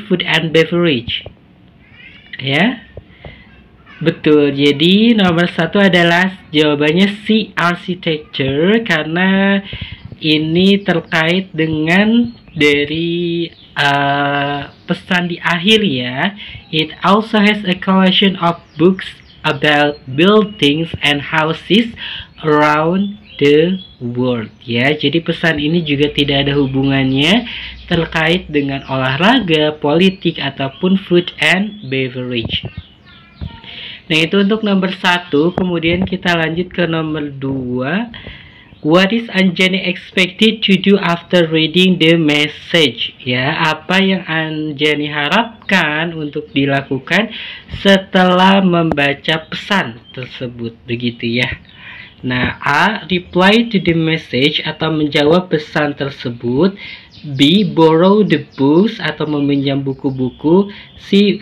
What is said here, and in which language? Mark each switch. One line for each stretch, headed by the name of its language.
English: food and beverage. Ya.
Indonesian: Betul, jadi nomor 1 adalah jawabannya C, architecture, karena ini terkait dengan dari pesan di akhir ya.
English: It also has a collection of books about buildings and houses around the world ya.
Indonesian: Jadi pesan ini juga tidak ada hubungannya terkait dengan olahraga, politik, ataupun
English: food and beverage.
Indonesian: Nah, itu untuk nomor 1. Kemudian kita lanjut ke nomor 2.
English: What is Anjani expected to do after reading the message?
Indonesian: Ya, apa yang Anjani harapkan untuk dilakukan setelah membaca pesan tersebut? Begitu ya. Nah, A.
English: reply to the message
Indonesian: atau menjawab pesan tersebut. B.
English: borrow the books
Indonesian: atau meminjam buku-buku. C.